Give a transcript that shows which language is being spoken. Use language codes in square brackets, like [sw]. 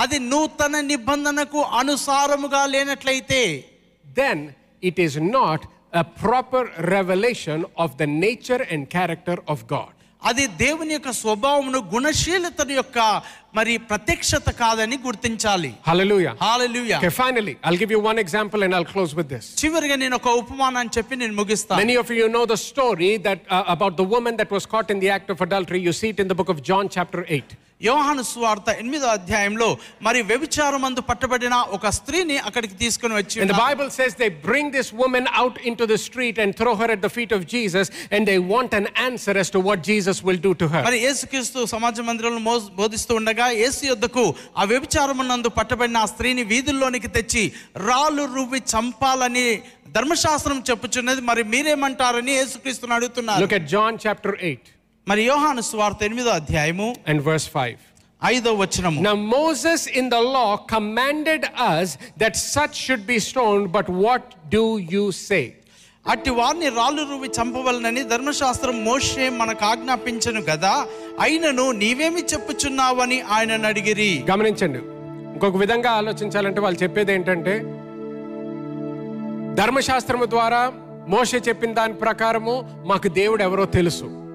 [te] అది నూతన నిబంధనకు అనుసారముగా లేనట్లయితే [en] then it is not a proper revelation of the nature and character of God [te] అది దేవుని యొక్క స్వభావమును గుణశీలతను యొక్క మరి ప్రత్యక్షత కాదని గుర్తించాలి. హల్లెలూయా. హల్లెలూయా. [en] Okay, finally I'll give you one example and I'll close with this. [te] చివరిగా నేను ఒక ఉపమానాన్ని చెప్పి నేను ముగిస్తాను. [en] Many of you know the story that about the woman that was caught in the act of adultery. You see it in the book of John chapter 8. [te] యోహాను సువార్త 8వ అధ్యాయంలో మరి వ్యభిచారమందు పట్టబడిన ఒక స్త్రీని అక్కడికి తీసుకుని వచ్చి [en] and the Bible says they bring this woman out into the street and throw her at the feet of Jesus and they want an answer as to what Jesus will do to her. [te] మరి యేసుక్రీస్తు సమాజ మందిరంలో బోధిస్తూ ఉండగా యేసు యొద్దకు ఆ వ్యభిచారమందు పట్టబడిన ఆ స్త్రీని వీధుల్లోనికి తెచ్చి రాళ్ళు రువ్వి చంపాలని ధర్మశాస్త్రం చెప్పుచున్నది మరి మీరేమంటారని యేసుక్రీస్తుని అడుగుతున్నారు. [en] Look at John chapter 8. [te] మరి యోహాను సువార్త 8వ అధ్యాయము [en] and verse 5. [te] 5వ వచనము. [en] Now Moses in the law commanded us that such should be stoned, but what do you say? [te] అట్టి వారిని రాళ్ళు రువ్వి చంపవలనని ధర్మశాస్త్రం మోషే మనకు ఆజ్ఞాపించను కదా, అయినను నీవేమి చెప్పుచున్నావని ఆయన అడిగిరి. గమనించండి, ఇంకొక విధంగా ఆలోచించాలంటే వాళ్ళు చెప్పేది ఏంటంటే ధర్మశాస్త్రము ద్వారా మోషే చెప్పిన దాని ప్రకారము మాకు దేవుడు ఎవరో తెలుసు.